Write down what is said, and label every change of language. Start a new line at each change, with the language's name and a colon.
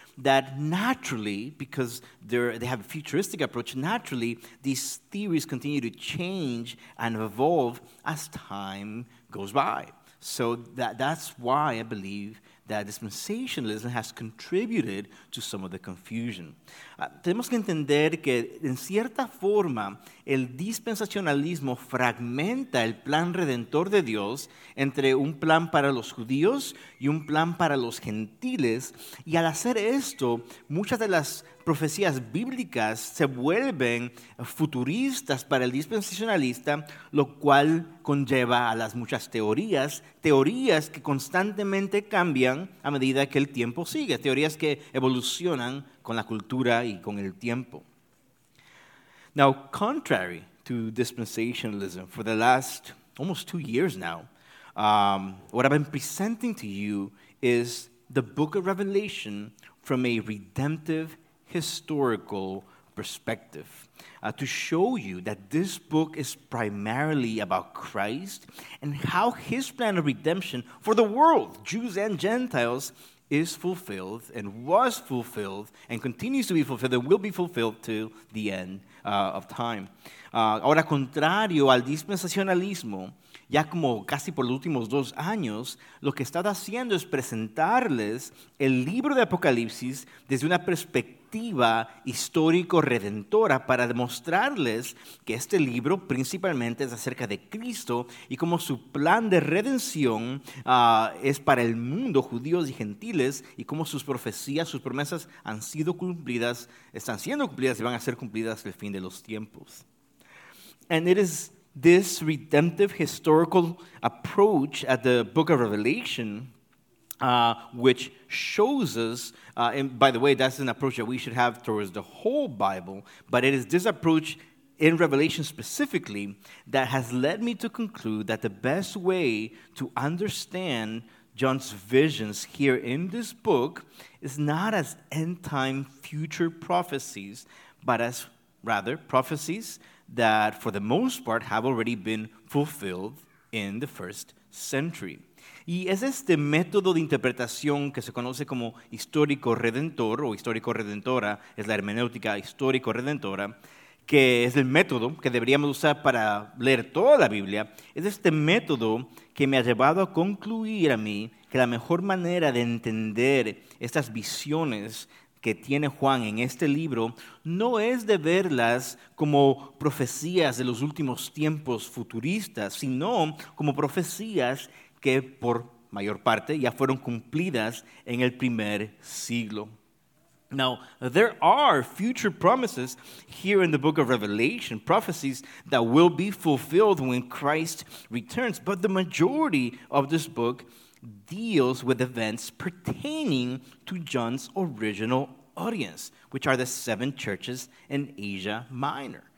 English: that naturally, because they have a futuristic approach, naturally, these theories continue to change and evolve as time goes by. So that's why I believe that dispensationalism has contributed to some of the confusion.
Spanish: Tenemos que entender que, en cierta forma, el dispensacionalismo fragmenta el plan redentor de Dios entre un plan para los judíos y un plan para los gentiles. Y al hacer esto, muchas de las profecías bíblicas se vuelven futuristas para el dispensacionalista, lo cual conlleva a las muchas teorías que constantemente cambian a medida que el tiempo sigue, teorías que evolucionan con la cultura y con el tiempo.
English: Now, contrary to dispensationalism, for the last almost 2 years now, what I've been presenting to you is the book of Revelation from a redemptive historical perspective, to show you that this book is primarily about Christ and how his plan of redemption for the world, Jews and Gentiles, is fulfilled and was fulfilled and continues to be fulfilled and will be fulfilled till the end of time.
Spanish: Ahora, contrario al dispensacionalismo, ya como casi por los últimos 2 años, lo que está haciendo es presentarles el libro de Apocalipsis desde una perspectiva histórico-redentora para demostrarles que este libro principalmente es acerca de Cristo y cómo su plan de redención es para el mundo, judíos y gentiles, y cómo sus profecías, sus promesas han sido cumplidas, están siendo cumplidas y van a ser cumplidas hasta el fin de los tiempos.
English: And it is this redemptive historical approach at the book of Revelation, which shows us, and by the way, that's an approach that we should have towards the whole Bible, but it is this approach in Revelation specifically that has led me to conclude that the best way to understand John's visions here in this book is not as end-time future prophecies, but as rather prophecies that for the most part have already been fulfilled in the first century.
Spanish: Y es este método de interpretación que se conoce como histórico-redentor o histórico-redentora, es la hermenéutica histórico-redentora, que es el método que deberíamos usar para leer toda la Biblia, es este método que me ha llevado a concluir a mí que la mejor manera de entender estas visiones que tiene Juan en este libro no es de verlas como profecías de los últimos tiempos futuristas, sino como profecías que por mayor parte ya fueron cumplidas en el primer siglo.
English: Now, there are future promises here in the book of Revelation, prophecies that will be fulfilled when Christ returns. But the majority of this book deals with events pertaining to John's original audience, which are the seven churches in Asia Minor.